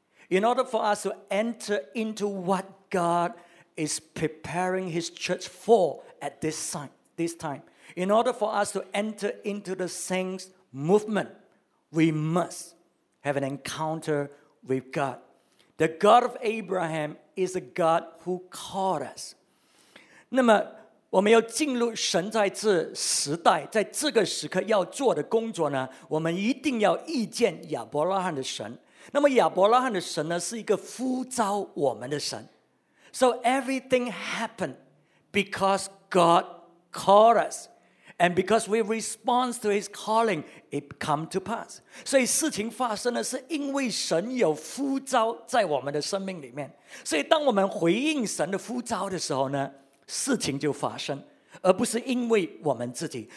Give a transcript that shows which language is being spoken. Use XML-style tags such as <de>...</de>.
<en>In order for us to enter into what God is preparing His church for at this time, in order for us to enter into the saints' movement, we must have an encounter with God. The God of Abraham is a God who called us.</en> <zh>那么我们要进入神在这时代，在这个时刻要做的工作呢，我们一定要遇见亚伯拉罕的神。那么亚伯拉罕的神呢，是一个呼召我们的神。</zh> <en>So everything happened because God called us. And because we respond to His calling, it come to pass.</en> <zh>所以事情发生呢，是因为神有呼召在我们的生命里面。所以当我们回应神的呼召的时候呢，事情就发生，而不是因为我们自己。</zh>